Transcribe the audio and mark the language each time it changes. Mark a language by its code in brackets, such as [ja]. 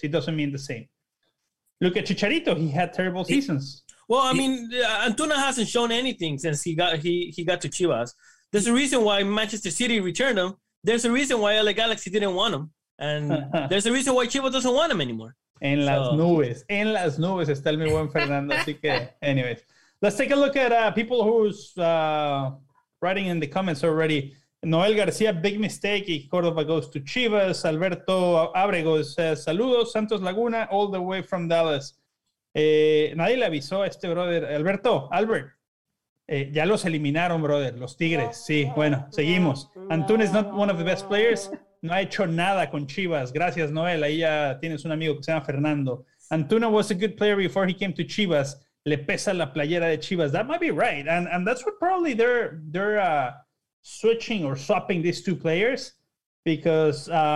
[en] It doesn't mean the same. Look at Chicharito. He had terrible seasons. Well, I mean, Antuna hasn't shown anything since he got to Chivas. There's a reason why Manchester City returned him. There's a reason why LA Galaxy didn't want him. And there's a reason why Chivas doesn't want him anymore. [es] En las nubes está el mi buen Fernando. Así que, anyways. [en] Let's take a look at people who's writing in the comments already. Noel García, big mistake. Y Córdoba goes to Chivas. Alberto Abrego says, saludos, Santos Laguna, all the way from Dallas. [es] Nadie le avisó a este brother Albert, ya los eliminaron, brother, los Tigres. Sí, bueno, seguimos. [en] Antuna is not one of the best players. [es] No ha hecho nada con Chivas. Gracias, Noel. Ahí ya tienes un amigo que se llama Fernando. [en] Antuna was a good player before he came to Chivas. [es] Le pesa la playera de Chivas. [en] That might be right, and that's what probably they're switching or swapping these two players because